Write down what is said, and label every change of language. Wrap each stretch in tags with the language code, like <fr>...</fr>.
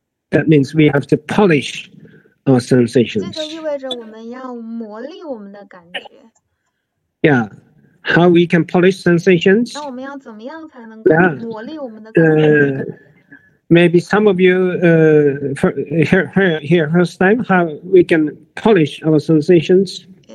<en>That means we have to polish our sensations.</en> <zh>这个意味着我们要磨砺我们的感觉.</zh> <en>Yeah, how we can polish sensations?</en> <zh>那我们要怎么样才能磨砺我们的感觉？</zh> <en>Maybe some of you here first time, how we can polish our sensations.</en>